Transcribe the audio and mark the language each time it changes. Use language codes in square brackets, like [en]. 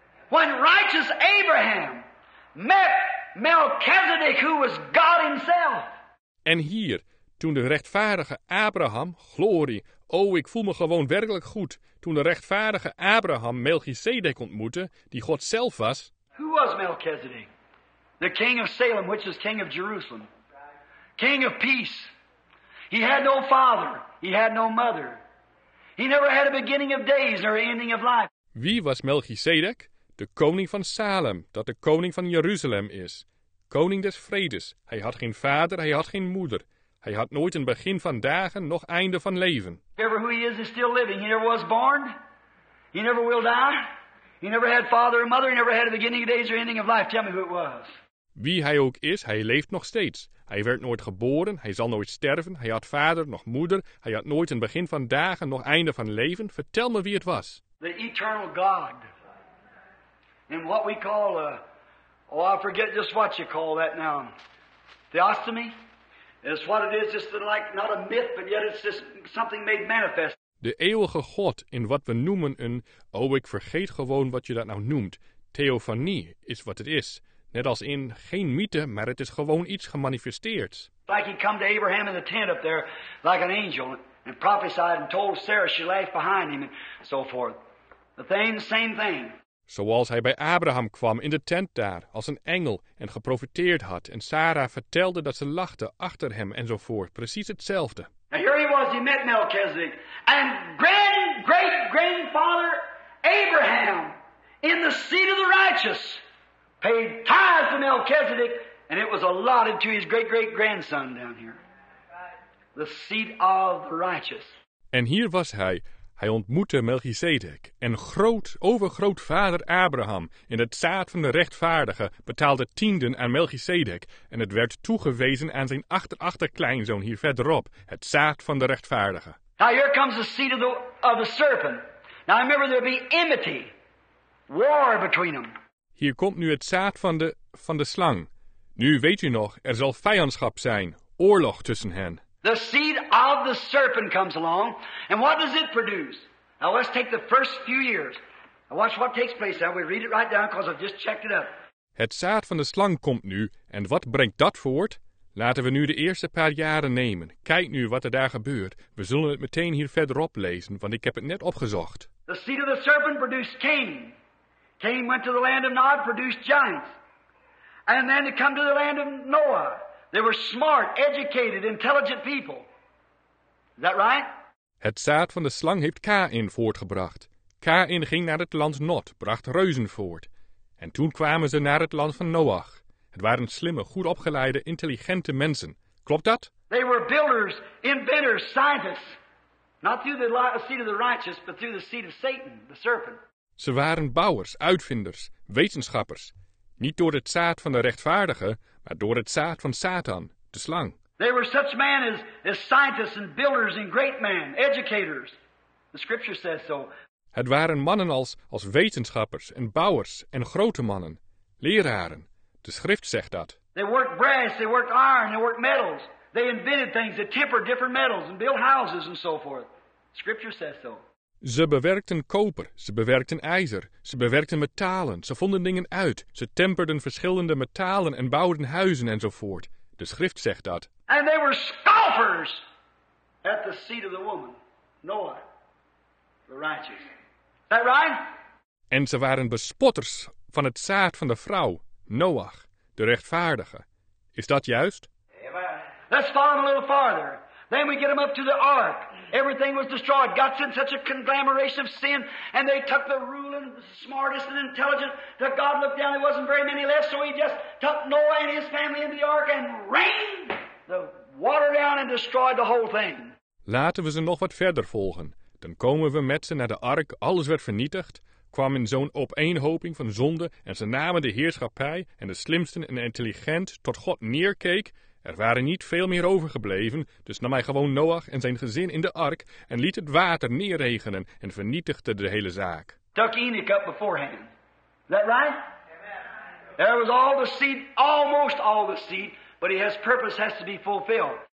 [en] When righteous Abraham met Melchizedek, who was God himself. [nl] En hier, toen de rechtvaardige Abraham, glorie, oh, ik voel me gewoon werkelijk goed, toen de rechtvaardige Abraham Melchizedek ontmoette, die God zelf was. [en] Who was Melchizedek? The king of Salem, which is king of Jerusalem. King of peace. He had no father. He had no mother. He never had a beginning of days or ending of life. [nl] Wie was Melchizedek? De koning van Salem, dat de koning van Jeruzalem is. Koning des vredes. Hij had geen vader, hij had geen moeder. Hij had nooit een begin van dagen, nog einde van leven. [en] Whoever who he is, is still living. He never was born. He never will die. He never had father or mother. He never had a beginning of days or ending of life. Tell me who it was. [nl] Wie hij ook is, hij leeft nog steeds. Hij werd nooit geboren, hij zal nooit sterven. Hij had vader, nog moeder. Hij had nooit een begin van dagen, nog einde van leven. Vertel me wie het was. [en] The eternal God. In what we call a, oh, I forget just what you call that now. Theostomy is what it is, just like not a myth, but yet it's just something made manifest. [nl] De eeuwige God in wat we noemen een, oh, ik vergeet gewoon wat je dat nou noemt. Theophanie is wat het is. Net als in geen mythe, maar het is gewoon iets gemanifesteerd. [en] Like he come to Abraham in the tent up there, like an angel, and prophesied and told Sarah she left behind him, and so forth. The thing, same thing. [nl] Zoals hij bij Abraham kwam in de tent daar, als een engel, en geprofeteerd had, en Sarah vertelde dat ze lachte achter hem enzovoort, precies hetzelfde. [en] And here he was, he met Melchizedek, and great-grandfather Abraham, in the seat of the righteous, paid tithes to Melchizedek, and it was allotted to his great-great-grandson down here. The seat of the righteous. [nl] En hier was hij. Hij ontmoette Melchizedek en groot overgrootvader Abraham in het zaad van de rechtvaardige betaalde tienden aan Melchizedek en het werd toegewezen aan zijn achterachterkleinzoon hier verderop, het zaad van de rechtvaardige. [en] Now here comes the seed of the serpent. Now remember there'll be enmity, war between them. [nl] Hier komt nu het zaad van de slang. Nu weet u nog, er zal vijandschap zijn, oorlog tussen hen. [en] The seed of the serpent comes along, and what does it produce? Now let's take the first few years. Now watch what takes place now. We read it right down because I've just checked it up. [nl] Het zaad van de slang komt nu, en wat brengt dat voort? Laten we nu de eerste paar jaren nemen. Kijk nu wat er daar gebeurt. We zullen het meteen hier verderop lezen, want ik heb het net opgezocht. [en] The seed of the serpent produced Cain. Cain went to the land of Nod, produced giants. And then it come to the land of Noah. They were smart, educated, intelligent people. Is that right? [nl] Het zaad van de slang heeft Kain voortgebracht. Kain ging naar het land Nod, bracht reuzen voort. En toen kwamen ze naar het land van Noach. Het waren slimme, goed opgeleide, intelligente mensen. Klopt dat? [en] They were builders, inventors, scientists. Not through the seed of the righteous, but through the seed of Satan, the serpent. [nl] Ze waren bouwers, uitvinders, wetenschappers. Niet door het zaad van de rechtvaardige, maar door het zaad van Satan, de slang. [en] They were such men as scientists and builders and great men, educators. The scripture says so. [nl] Het waren mannen als wetenschappers en bouwers en grote mannen, leraren. De schrift zegt dat. [en] They worked brass, they worked iron, they worked metals. They invented things, they tempered different metals and built houses and so forth. The scripture says so. [nl] Ze bewerkten koper, ze bewerkten ijzer, ze bewerkten metalen, ze vonden dingen uit, ze temperden verschillende metalen en bouwden huizen enzovoort. De schrift zegt dat. [en] And they were scoffers at the seed of the woman, Noah, the righteous. Is that right? [nl] En ze waren bespotters van het zaad van de vrouw, Noach, de rechtvaardige. Is dat juist? [en] Amen. Let's follow a little farther. Then we get them up to the ark. Everything was destroyed. God sent such a conglomeration of sin, and they took the ruling, smartest and intelligent. The God looked down, there wasn't very many left, so he just took Noah and his family into the ark and rained the water down and destroyed the whole thing. [nl] Laten we ze nog wat verder volgen. Dan komen we met ze naar de ark, alles werd vernietigd, kwam in zo'n opeenhoping van zonde, en ze namen de heerschappij en de slimsten en intelligent tot God neerkeek. Er waren niet veel meer overgebleven, dus nam hij gewoon Noach en zijn gezin in de ark en liet het water neerregenen en vernietigde de hele zaak. [en] Took Enoch up beforehand. Is that right? Amen. There was all the seed, almost all the seed, but his purpose has to be fulfilled.